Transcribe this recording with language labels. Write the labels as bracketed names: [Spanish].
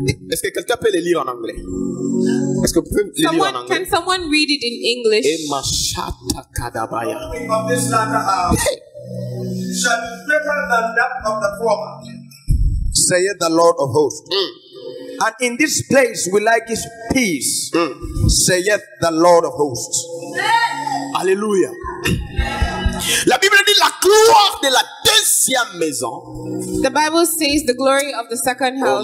[French] Est-ce que quelqu'un peut le lire en anglais? Est-ce que vous pouvez le lire en anglais? [English] Can someone read it in English? Et ma chata kadabaya. Shall be better than that of the former, saith the Lord of hosts. And in this place will I give peace, saith the Lord of hosts. [French] Alléluia. La Bible dit la gloire de la deuxième maison. [English] The Bible says the glory of the second house.